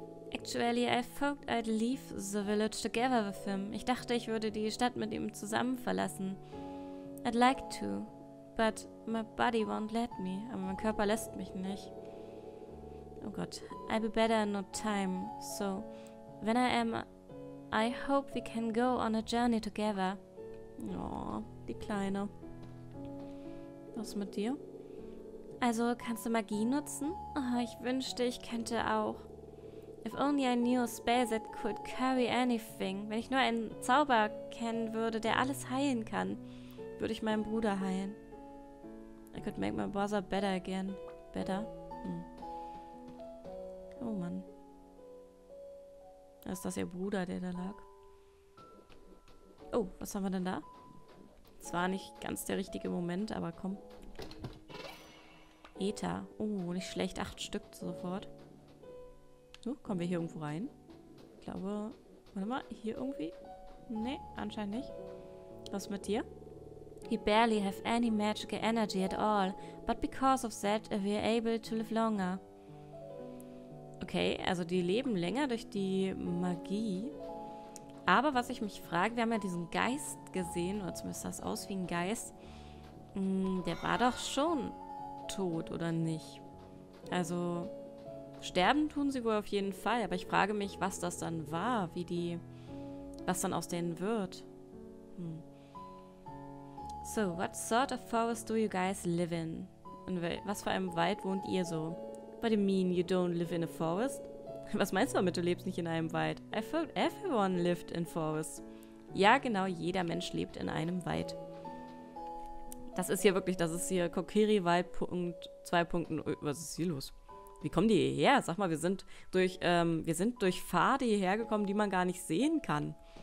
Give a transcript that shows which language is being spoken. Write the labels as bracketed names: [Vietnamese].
[English] Actually, I thought I'd leave the village together with him. [German] Ich dachte, ich würde die Stadt mit ihm zusammen verlassen. [English] I'd like to. But my body won't let me. [German] Aber mein Körper lässt mich nicht. Oh Gott. [English] I'll be better in no time. So, when I am... I hope we can go on a journey together. [German] Oh, die Kleine. Was mit dir? Also, kannst du Magie nutzen? Oh, ich wünschte, ich könnte auch. [English] If only I knew a spell that could carry anything. [German] Wenn ich nur einen Zauber kennen würde, der alles heilen kann, würde ich meinen Bruder heilen. [English] I could make my brother better again. Better? Hm. [German] Oh Mann. Ist das ihr Bruder, der da lag? Oh, was haben wir denn da? Zwar nicht ganz der richtige Moment, aber komm. Äther. Oh, nicht schlecht. 8 Stück sofort. So, kommen wir hier irgendwo rein? Ich glaube... Warte mal, hier irgendwie? Nee, anscheinend nicht. Was mit dir? [English] He barely have any magical energy at all, but because of that we are able to live longer. [German] Okay, also die leben länger durch die Magie. Aber was ich mich frage, wir haben ja diesen Geist gesehen, oder zumindest sah es aus wie ein Geist. Der war doch schon tot, oder nicht? Also, sterben tun sie wohl auf jeden Fall, aber ich frage mich, was das dann war, wie die, was dann aus denen wird. [English] So, what sort of forest do you guys live in? [German] In was für einem Wald wohnt ihr so? [English] What do you mean, you don't live in a forest? [German] Was meinst du damit, du lebst nicht in einem Wald? [English] I thought everyone lived in forests. [German] Ja, genau, jeder Mensch lebt in einem Wald. Das ist hier wirklich, das ist hier Kokiri-Wald. 2. Was ist hier los? Wie kommen die hierher? Sag mal, wir sind durch Pfade hierher gekommen, die man gar nicht sehen kann.